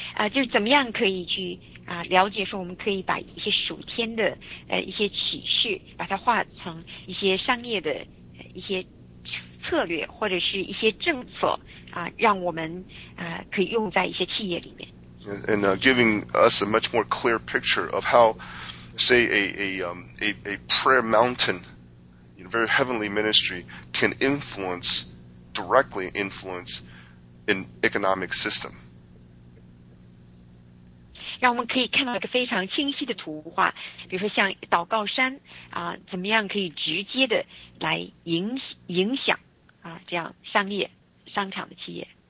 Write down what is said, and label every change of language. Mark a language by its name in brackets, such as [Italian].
[Chinese] 就是怎么样可以去了解说我们可以把一些属天的一些启示把它化成一些商业的一些策略或者是一些政策让我们可以用在一些企业里面。 [English] And giving us a much more clear picture of how, say, a prayer mountain, you know, very heavenly ministry can directly influence an economic system. [Chinese] 让我们可以看到一个非常清晰的图画，比如说像祷告山怎么样可以直接的来影响这样商业商场的企业。